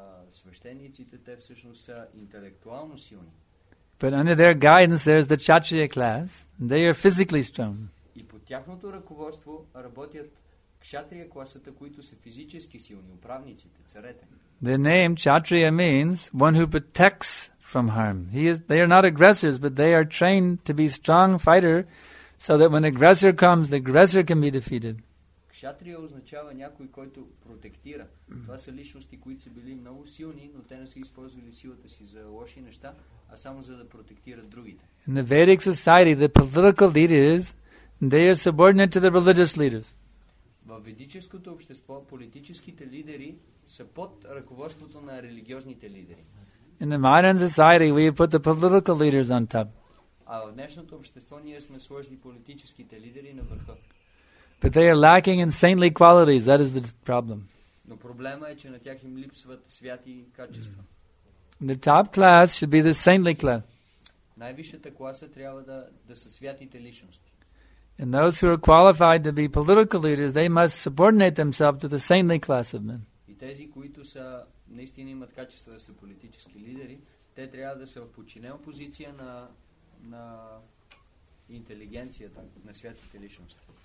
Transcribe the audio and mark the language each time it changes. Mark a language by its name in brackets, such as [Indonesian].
[Bulgarian] Свещениците, те всъщност са интелектуално силни. [English] But under their guidance there is the Kshatriya class. They are physically strong. [Bulgarian] И под тяхното ръководство работят Кшатрия класата, които са физически силни, управниците, царете. [English] The name Kshatriya means one who protects from harm. They are not aggressors, but they are trained to be strong fighter so that when aggressor comes, the aggressor can be defeated. [Bulgarian] Кшатрия означава някой, който протектира. Това са личности, които са били много силни, но те не са използвали силата си за лоши неща, а само за да протектират другите. [English] In the Vedic society, the political leaders, they are subordinate to the religious leaders. [Bulgarian] Във ведическото общество, политическите лидери са под ръководството на религиозните лидери. [English] In the modern society, we put the political leaders on top. [Bulgarian] А в днешното общество ние сме сложили политическите лидери на върха. [English] But they are lacking in saintly qualities. That is the problem. [Bulgarian] Но проблема е, че на тях им липсват святи качества. [English] The top class should be the saintly class. [Bulgarian] Най-висшата класа трябва да са святите личности. [English] And those who are qualified to be political leaders, they must subordinate themselves to the saintly class of men. [Bulgarian] И тези, които са наистина имат качества да са политически лидери, те трябва да са в подчинена позиция на интелигенцията, на святите личности.